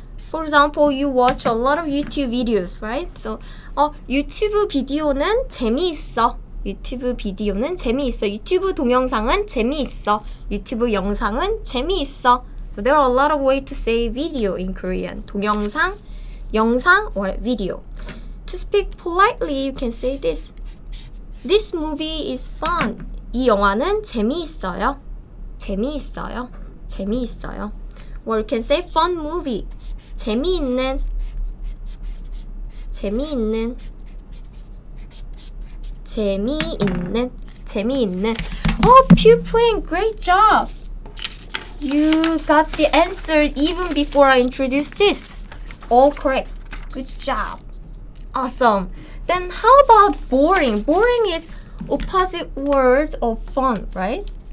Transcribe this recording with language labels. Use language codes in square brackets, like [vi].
[en] For example, you watch a lot of YouTube videos, right? [ko] So, 유튜브 비디오는 재미있어. 유튜브 비디오는 재미있어. 유튜브 동영상은 재미있어. 유튜브 영상은 재미있어. [en] So there are a lot of ways to say video in Korean. 동영상, 영상, or video. To speak politely, you can say this. This movie is fun. [ko] 이 영화는 재미있어요. 재미있어요. 재미있어요. [en] Or you can say fun movie. [ko] 재미있는, 재미있는, 재미있는, 재미있는. [en] Oh, Pew Pwing, great job! You got the answer even before I introduced this. All correct. Good job. Awesome. Then how about boring? Boring is opposite word of fun, right?